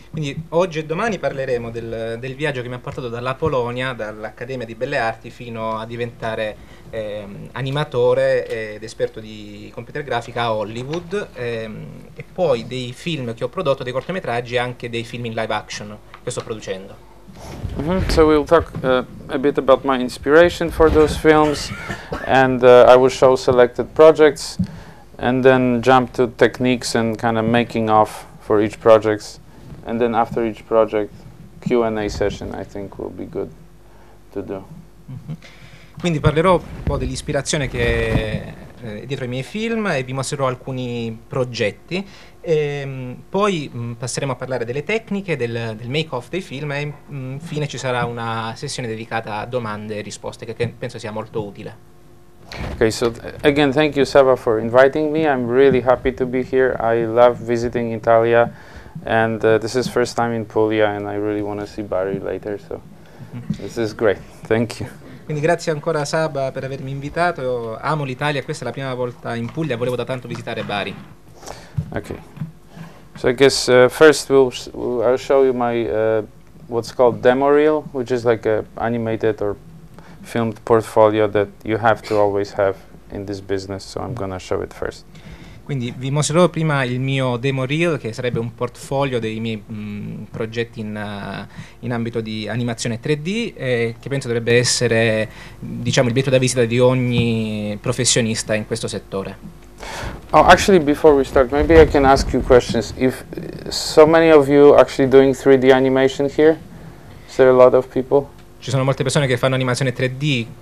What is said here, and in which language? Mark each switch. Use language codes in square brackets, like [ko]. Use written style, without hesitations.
[it] Quindi oggi e domani parleremo del viaggio che mi ha portato dalla Polonia, dall'Accademia di Belle Arti, fino a diventare animatore ed esperto di computer grafica a Hollywood e poi dei film che ho prodotto, dei cortometraggi e anche dei film in live action che sto producendo. Mm-hmm. [en] So we'll talk a bit about my inspiration for those films, and I will show selected projects, and then jump to techniques and kind of making of for each project, and then after each project, Q&A session I think will be good to do. Mm-hmm. [it] Quindi parlerò un po' dell'ispirazione che è dietro ai miei film e vi mostrerò alcuni progetti. Poi passeremo a parlare delle tecniche, del make-off dei film e infine ci sarà una sessione dedicata a domande e risposte che penso sia molto utile. [en] Okay, so again thank you Saba for inviting me. I'm really happy to be here. I love visiting Italia and this is first time in Puglia and I really want to see Bari later, so this is great. Thank you. [it] Quindi grazie ancora Saba per avermi invitato. Io amo l'Italia, questa è la prima volta in Puglia, volevo da tanto visitare Bari. [en] Okay, so I guess first I'll show you my what's called demo reel, which is like a animated or filmed portfolio that you have to always have in this business. So I'm gonna show it first. [it] Quindi vi mostrerò prima il mio demo reel, che sarebbe un portfolio dei miei progetti in ambito di animazione 3D, che penso dovrebbe essere, diciamo, il biglietto da visita di ogni professionista in questo settore. [en] Oh, actually, before we start, maybe I can ask you questions. If so many of you actually doing 3D animation here? Is there a lot of people? [it] Ci sono molte persone che fanno animazione 3D.